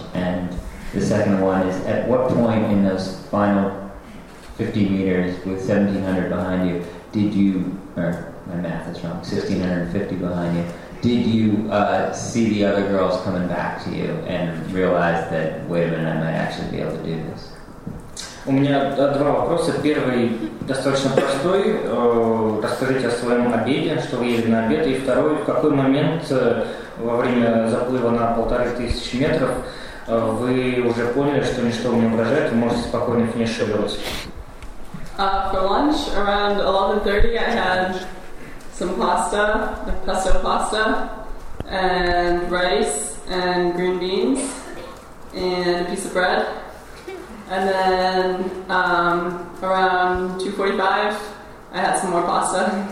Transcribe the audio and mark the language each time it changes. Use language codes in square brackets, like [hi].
[en] And the second one is, at what point in those final 50 meters with 1,700 behind you, did you, or my math is wrong, 1,650 behind you, did you see the other girls coming back to you and realize that, wait a minute, I might actually be able to do this? [ru] У меня два вопроса. Первый достаточно простой. Расскажите о своем обеде, что вы ели на обед. И второй, в какой момент во время заплыва на 1500 метров вы уже поняли, что ничто вам не угрожает, вы можете спокойно финишировать? [en] For lunch, around 11:30, I had some pasta, pesto pasta, and rice, and green beans, and a piece of bread. And then around 2:45, I had some more pasta.